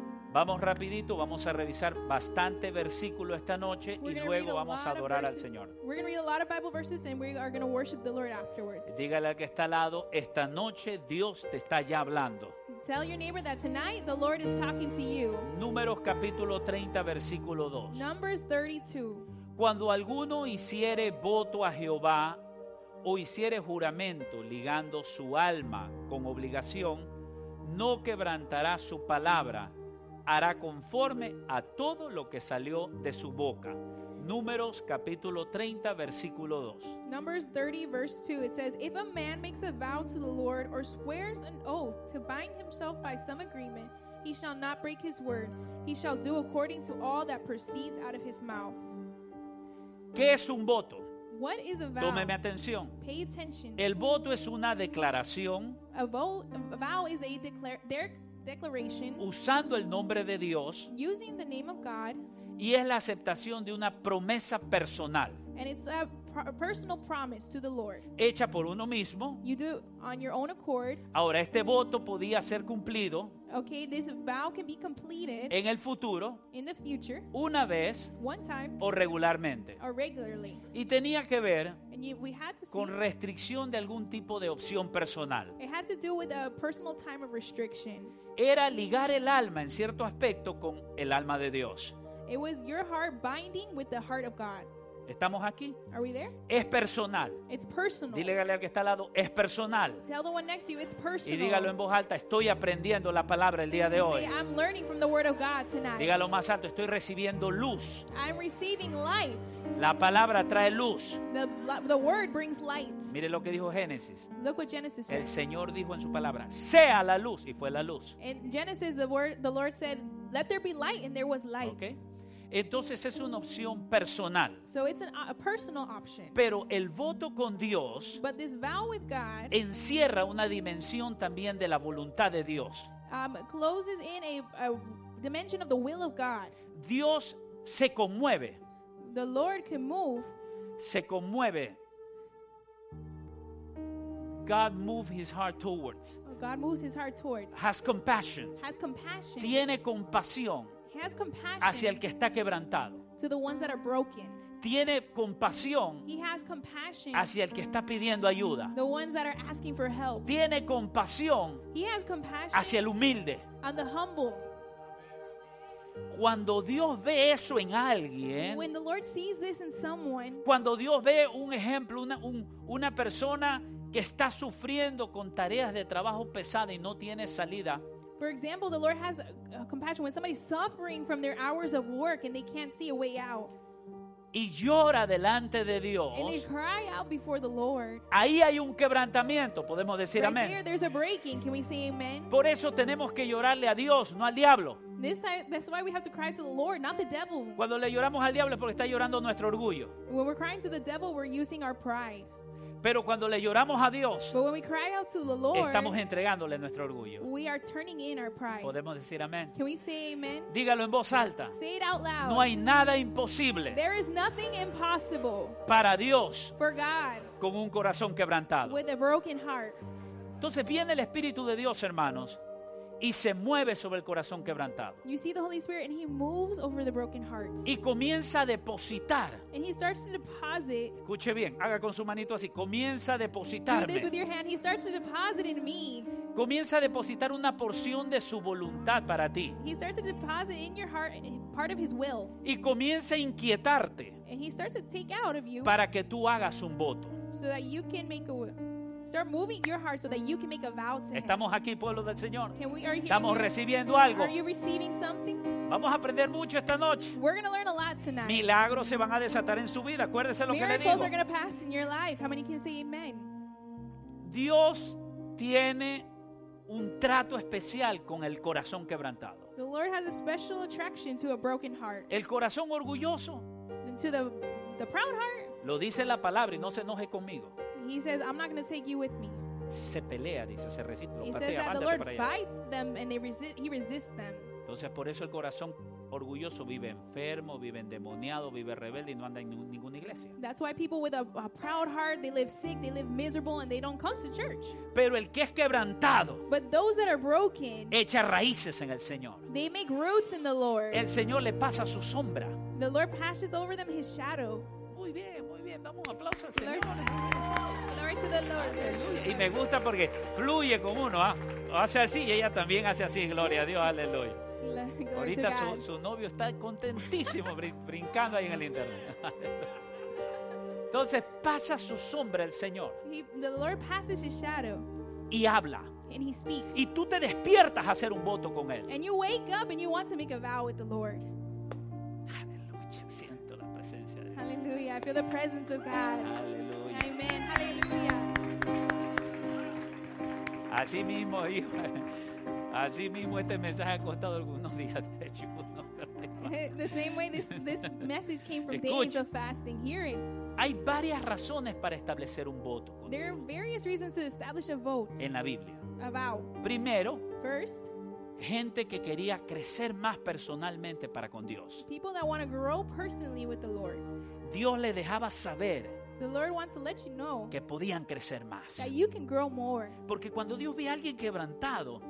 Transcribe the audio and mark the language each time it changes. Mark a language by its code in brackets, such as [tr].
[es] Vamos rapidito, vamos a revisar bastante versículo esta noche y luego vamos a adorar al Señor. [en] We're going to read a lot of Bible verses and we are going to worship the Lord afterwards. [es] Dígale al que está al lado, esta noche Dios te está ya hablando. [en] Tell your neighbor that tonight the Lord is talking to you. [es] Números capítulo 30 versículo 2. [en] Numbers 32. [es] Cuando alguno hiciere voto a Jehová o hiciere juramento ligando su alma con obligación, no quebrantará su palabra. Hará conforme a todo lo que salió de su boca. Números capítulo 30 versículo 2. [en] Numbers 30 verse 2. It says, if a man makes a vow to the Lord or swears an oath to bind himself by some agreement, he shall not break his word. He shall do according to all that proceeds out of his mouth. [es] ¿Qué es un voto? [en] What is a vow? [es] Tómeme atención. [en] Pay attention. [es] El voto es una declaración. [en] A vow is a declaration. Declaration, [es] usando el nombre de Dios, [en] using the name of God, [es] y es la aceptación de una promesa personal, [en] and it's a personal promise to the Lord, [es] hecha por uno mismo. [en] You do it on your own accord. [es] Ahora este voto podía ser cumplido, [en] okay, this vow can be completed, [es] en el futuro, [en] in the future, [es] una vez, [en] one time, [es] o regularmente, [en] or regularly, [es] y tenía que ver, [en] and you, we had to see, [es] con restricción de algún tipo de opción personal. [en] It had to do with a personal time of restriction. [es] Era ligar el alma en cierto aspecto con el alma de Dios. [en] It was your heart binding with the heart of God. [es] ¿Estamos aquí? [en] Are we there? [es] Es personal. [en] It's personal. [es] Dígale al que está al lado, es personal. [en] Tell the one next to you, it's personal. [es] Y dígalo en voz alta, estoy aprendiendo la palabra el día de hoy. [en] Say, I'm learning from the word of God tonight. [es] Dígalo más alto, estoy recibiendo luz. [en] I'm receiving light. [es] La palabra trae luz. [en] The word brings light. [es] Mire lo que dijo Génesis. [en] Look what Genesis said. [es] El Señor dijo en su palabra, sea la luz, y fue la luz. [en] In Genesis, the Lord said, let there be light, and there was light. Okay. [es] Entonces es una opción personal. [en] So it's a personal option. [es] Pero el voto con Dios, [en] but this vow with God, [es] encierra una dimensión también de la voluntad de Dios. [en] Closes in a dimension of the will of God. [es] Dios se conmueve. [en] The Lord can move. [es] Se conmueve. [en] God moves his heart towards. God moves his heart towards. Has compassion. Has compassion. [es] Tiene compasión. [en] Has compassion [es] hacia el que está quebrantado. [en] To the ones that are broken. [es] Tiene compasión. [en] He has compassion [es] hacia el que está pidiendo ayuda. [en] The ones that are asking for help. [es] Tiene compasión. [en] He has compassion [es] hacia el humilde. [en] On the humble. [es] Cuando Dios ve eso en alguien, [en] when the Lord sees this in someone, [es] cuando Dios ve un ejemplo, una persona que está sufriendo con tareas de trabajo pesada y no tiene salida. [en] For example, the Lord has compassion when somebody's suffering from their hours of work and they can't see a way out. [es] Y llora delante de Dios. [en] And they cry out before the Lord. [es] Ahí hay un quebrantamiento, podemos decir [en] right [es] amén. [en] There, there's a breaking. Can we say amen? [es] Por eso tenemos que llorarle a Dios, no al diablo. [en] This time, that's why we have to cry to the Lord, not the devil. [es] Cuando le lloramos al diablo es porque está llorando nuestro orgullo. [en] When we're crying to the devil, we're using our pride. [es] Pero cuando le lloramos a Dios, [en] but when we cry out to the Lord, [es] estamos entregándole nuestro orgullo. [en] We are turning in our pride. [es] Podemos decir amén. [en] Can we say amen? [es] Dígalo en voz alta. [en] Say it out loud. [es] No hay nada imposible. [en] There is nothing impossible. [es] Para Dios. [en] For God. [es] Con un corazón quebrantado. [en] With a broken heart. [es] Entonces viene el Espíritu de Dios, hermanos, y se mueve sobre el corazón quebrantado. [en] You see the Holy Spirit and he moves over the broken hearts. [es] Y comienza a depositar. [en] And he starts to deposit. [es] Escuche bien, haga con su manito así, comienza a depositarme. [en] Do this with your hand. He starts to deposit in me. [es] Comienza a depositar una porción de su voluntad para ti. [en] He starts to deposit in your heart part of his will. [es] Y comienza a inquietarte. [en] And he starts to take out of you. [es] Para que tú hagas un voto. [en] So that you can make a will. Start moving your heart so that you can make a vow to him. [es] Estamos aquí, pueblo del Señor. [en] Can we, are [es] estamos [en] here? [es] Recibiendo algo. [en] Are you receiving something? [es] Vamos a aprender mucho esta noche. [en] We're going to learn a lot tonight. [es] Milagros se van a desatar en su vida. Acuérdese lo que le digo. [en] Miracles are going to pass in your life. How many can say amen? [es] Dios tiene un trato especial con el corazón quebrantado. [en] The Lord has a special attraction to a broken heart. [es] El corazón orgulloso. [en] And to the proud heart. [es] Lo dice la palabra y no se enoje conmigo. [en] He says, I'm not going to take you with me. [es] Se pelea, dice, se resiste. [en] He says that the Lord fights them and he resists them. [es] Entonces por eso el corazón orgulloso vive enfermo, vive endemoniado, vive rebelde y no anda en ninguna iglesia. [en] That's why people with a proud heart, they live sick, they live miserable and they don't come to church. [es] Pero el que es quebrantado, [en] but those that are broken, [es] echa raíces en el Señor. [en] They make roots in the Lord. [es] El Señor le pasa su sombra. [en] The Lord passes over them his shadow. [es] Muy bien, muy bien. Damos un aplauso al Señor. [en] Glory to the Lord. [es] Aleluya. Y me gusta porque fluye con uno, ¿eh? Hace así y ella también hace así. Gloria a Dios. Aleluya. [en] Glory [es] ahorita su novio está contentísimo brincando ahí en el internet. Entonces pasa su sombra el Señor. [en] The Lord passes his shadow. [es] Y habla. [en] And he speaks. [es] Y tú te despiertas a hacer un voto con él. [en] And you wake up and you want to make a vow with the Lord. [es] Aleluya. Siento la presencia de Dios. [en] Hallelujah. I feel the presence of God. [es] Aleluya. [en] Amen. Hallelujah. [es] Así mismo, hijo. Así mismo este mensaje ha costado algunos días de ayuno. [en] The same way this message came from [es] escucha, [en] days of fasting. Hear it. [es] Hay varias razones para establecer un voto. [en] There are various reasons to establish a vote. [es] En la Biblia. [en] A vow. [es] Primero. [en] First. [es] Gente que quería crecer más personalmente para con Dios. [en] People that want to grow personally with the Lord. [es] Dios le dejaba saber. [en] The Lord wants to let you know [es] que podían crecer más. [en] That you can grow more. [es] Porque cuando Dios ve a alguien quebrantado,